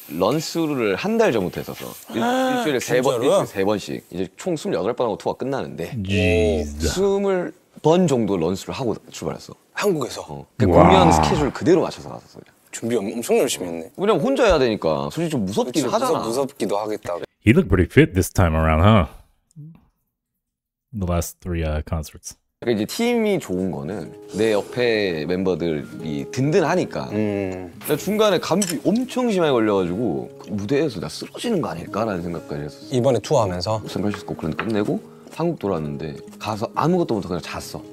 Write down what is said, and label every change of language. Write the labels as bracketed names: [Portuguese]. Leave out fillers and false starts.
[Korean] 런스루를 한 달 전부터 했었어. 일주일에 세 번씩. 이제 총 28번 하고 투어가 끝나는데 20번 정도 런스루를 하고 출발했어. 한국에서? 그 공연 스케줄 그대로 맞춰서 갔었어. 준비 엄청 열심히 했네. 왜냐면 혼자 해야 되니까 솔직히 좀 무섭기도 그치, 하잖아. 무섭기도 하겠다. [English] He looked pretty fit this time around, huh? The last three concerts. [Korean] 그러니까 이제 팀이 좋은 거는 내 옆에 멤버들이 든든하니까. 나 중간에 감기 엄청 심하게 걸려가지고 무대에서 나 쓰러지는 거 아닐까라는 생각까지 했었어. 이번에 투어하면서 샌프란시스코 그런 데 끝내고 한국 돌아왔는데 가서 아무것도 못하고 그냥 잤어.